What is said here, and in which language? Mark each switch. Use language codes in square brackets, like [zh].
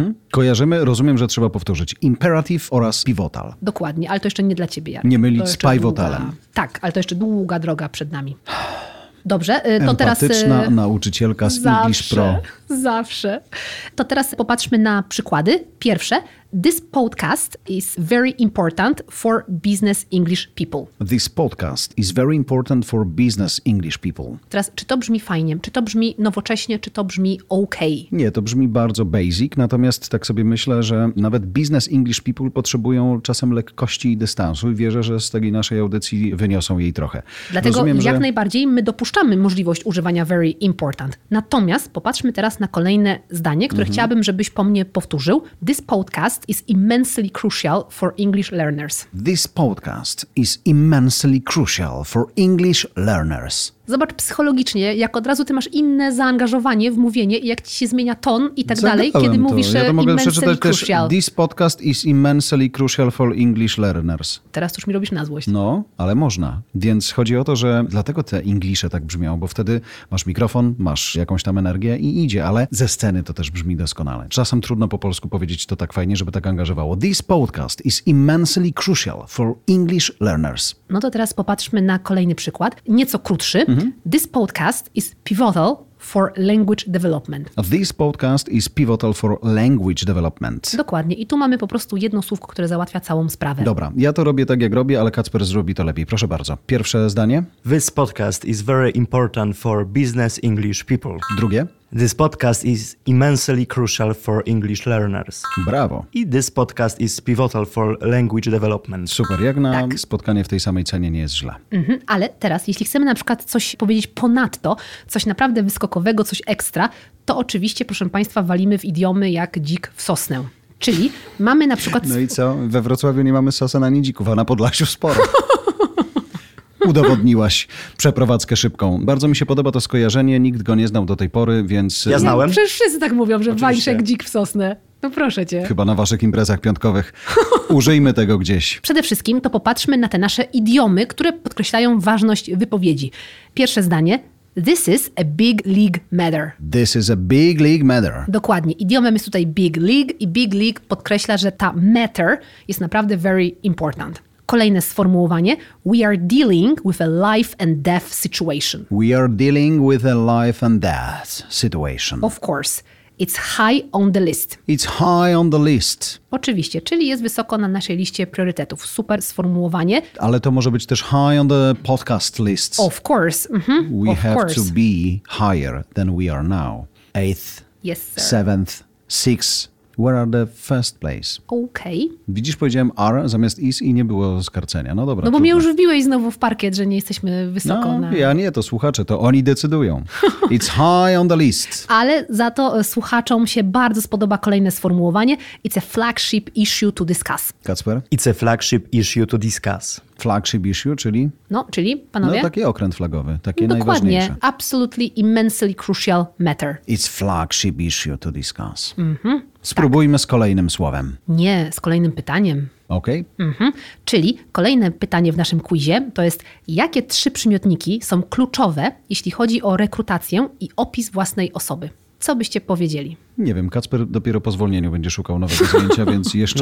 [pl] Kojarzymy, rozumiem, że trzeba powtórzyć. Imperative oraz pivotal. Dokładnie, ale to jeszcze nie dla ciebie, Jarek. Nie mylić z pivotalem. Tak, ale to jeszcze długa droga przed nami. Dobrze, to empatyczna teraz... Empatyczna nauczycielka z English Pro. Zawsze. To teraz popatrzmy na przykłady. Pierwsze. [en] This podcast is very important for business English people. This podcast is very important for business English people. [pl] Teraz, czy to brzmi fajnie? Czy to brzmi nowocześnie? Czy to brzmi okej? Nie, to brzmi bardzo basic, natomiast tak sobie myślę, że nawet business English people potrzebują czasem lekkości i dystansu i wierzę, że z tej naszej audycji wyniosą jej trochę. Dlatego rozumiem, jak najbardziej my dopuszczamy możliwość używania [en] very important. [pl] Natomiast popatrzmy teraz na kolejne zdanie, które chciałabym, żebyś po mnie powtórzył. [en] This podcast is immensely crucial for English learners. This podcast is immensely crucial for English learners. [pl] Zobacz psychologicznie, jak od razu ty masz inne zaangażowanie w mówienie i jak ci się zmienia ton i tak dalej, kiedy mówisz [en] immensely crucial. [pl] Ja to mogę przeczytać też, [en] this podcast is immensely crucial for English learners. [pl] Teraz już mi robisz na złość. No, ale można. Więc chodzi o to, że dlatego te Englishe tak brzmią, bo wtedy masz mikrofon, masz jakąś tam energię i idzie, ale ze sceny to też brzmi doskonale. Czasem trudno po polsku powiedzieć to tak fajnie, żeby tak angażowało. [en] This podcast is immensely crucial for English learners. [pl] No to teraz popatrzmy na kolejny przykład, nieco krótszy. [en] This podcast is pivotal for language development. This podcast is pivotal for language development. [pl] Dokładnie. I tu mamy po prostu jedno słówko, które załatwia całą sprawę. Dobra. Ja to robię tak, jak robię, ale Kacper zrobi to lepiej. Proszę bardzo. Pierwsze zdanie. [en] This podcast is very important for business English people. [pl] Drugie. [en] This podcast is immensely crucial for English learners. [pl] Brawo. [en] I this podcast is pivotal for language development. [pl] Super, jak na tak. Spotkanie w tej samej cenie nie jest źle. Mm-hmm. Ale teraz, jeśli chcemy na przykład coś powiedzieć ponadto, coś naprawdę wyskokowego, coś ekstra, to oczywiście, proszę Państwa, walimy w idiomy jak dzik w sosnę. Czyli mamy na przykład... No i co? We Wrocławiu nie mamy sosen ani dzików, a na Podlasiu sporo. Udowodniłaś przeprowadzkę szybką. Bardzo mi się podoba to skojarzenie, nikt go nie znał do tej pory, więc... Ja znałem. Przecież wszyscy tak mówią, że walisz jak dzik w sosnę. No proszę cię. Chyba na waszych imprezach piątkowych. Użyjmy tego gdzieś. Przede wszystkim to popatrzmy na te nasze idiomy, które podkreślają ważność wypowiedzi. Pierwsze zdanie. [en] This is a big league matter. This is a big league matter. [pl] Dokładnie. Idiomem jest tutaj big league i big league podkreśla, że ta matter jest naprawdę [en] very important. [pl] Kolejne sformułowanie. [en] We are dealing with a life and death situation. We are dealing with a life and death situation. Of course. It's high on the list. It's high on the list. [pl] Oczywiście, czyli jest wysoko na naszej liście priorytetów. Super sformułowanie. Ale to może być też [en] high on the podcast list. Of course. Mm-hmm. We of have course. To be higher than we are now. Eighth. Yes, sir. Seventh. Sixth. Where are the first place? Okay. [pl] Widzisz, powiedziałem are zamiast is i nie było skarcenia. No dobra. No bo trudno. Mnie już wbiłeś znowu w parkiet, że nie jesteśmy wysoko. No, ja nie, to słuchacze, to oni decydują. [en] It's high on the list. [pl] Ale za to słuchaczom się bardzo spodoba kolejne sformułowanie. [en] It's a flagship issue to discuss. [pl] Kacper? [en] It's a flagship issue to discuss. Flagship issue, czyli? [pl] No, czyli, panowie? No, taki okręt flagowy, taki dokładnie. Najważniejszy. Dokładnie. [en] Absolutely immensely crucial matter. It's flagship issue to discuss. Mhm. [pl] Spróbujmy z kolejnym słowem. Nie, z kolejnym pytaniem. Okej. [en] Okay. Mhm. [pl] Czyli kolejne pytanie w naszym quizie to jest, jakie trzy przymiotniki są kluczowe, jeśli chodzi o rekrutację i opis własnej osoby? Co byście powiedzieli? Nie wiem, Kacper dopiero po zwolnieniu będzie szukał nowego zdjęcia, więc jeszcze